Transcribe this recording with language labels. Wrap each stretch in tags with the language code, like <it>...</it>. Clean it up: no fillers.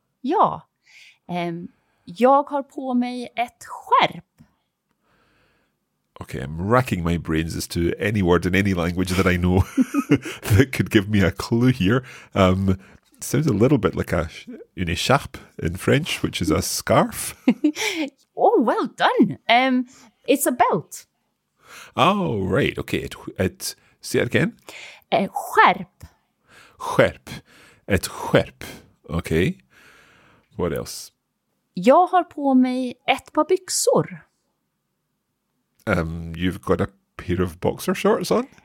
<sv>Ja, jag har på mig ett skärp.</sv> <en>Okay, I'm racking my brains as to any word in any language that I know that could give me a clue here. Sounds a little bit like a une écharpe in French, which is a scarf. Oh, well done. It's a belt. Oh, right. Okay. Say it again.</en> <sv>Skärp.</sv> <en>Skärp. Ett skärp. Okay. What else?</en> <sv>Jag har på mig ett par byxor.</sv> <en>You've got a pair of boxer shorts on?</en>